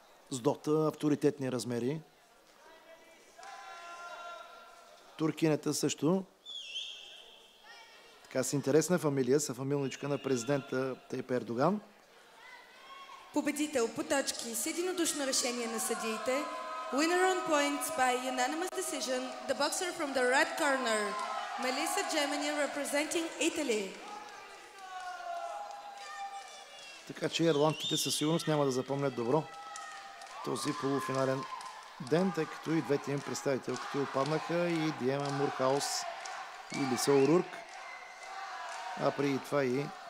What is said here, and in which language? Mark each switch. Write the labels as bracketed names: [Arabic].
[Bulgarian] С дота авторитетни размери. Туркинята също. Така с интересна фамилия, са фамилничка на президента Тайп Ердоган. Победител по точки с единодушно решение на съдиите. [English] Winner on points by unanimous decision, the boxer from the red corner, Melissa Gemini, representing Italy. [Bulgarian] Така че ирландките със сигурност няма да запомнят добро този полуфинален ден, тъй като и двете им представителки отпаднаха, и Диема Мурхаус и Лиса Урург, а преди това и